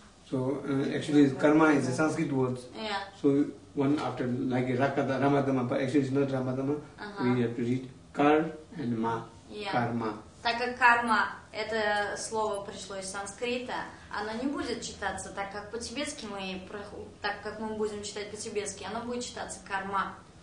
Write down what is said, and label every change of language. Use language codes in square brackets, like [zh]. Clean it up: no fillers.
[en] So, actually, karma is a Sanskrit word. Yeah. So, one after like Rakata Ramadama, but actually it's not Ramadama. We have to read Kar and Ma. Карма. [ru] Так как карма это слово пришло из санскрита, оно не будет читаться так, как по-тибетски мы так как мы будем читать по-тибетски, оно будет читаться карма.